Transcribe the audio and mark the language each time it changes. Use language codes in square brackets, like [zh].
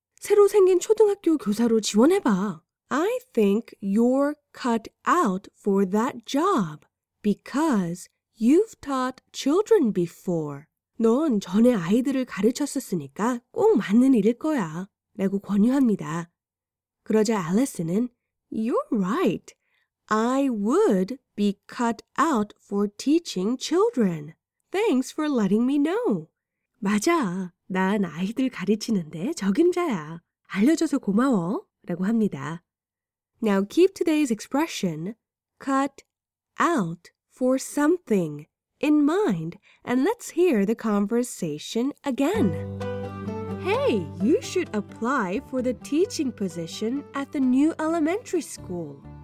[ko] 새로 생긴 초등학교 교사로 지원해봐. [en] I think you're cut out for that job because you've taught children before. [ko] 넌 전에 아이들을 가르쳤었으니까 꼭 맞는 일일 거야 라고 권유합니다. 그러자 Alice는 [en] You're right. I would be cut out for teaching children. Thanks for letting me know. [ko] 맞아. 난 아이들 가르치는데 적임자야. 알려줘서 고마워. 라고 합니다. [en] Now keep today's expression, cut out for something, in mind, and let's hear the conversation again. Hey, you should apply for the teaching position at the new elementary school.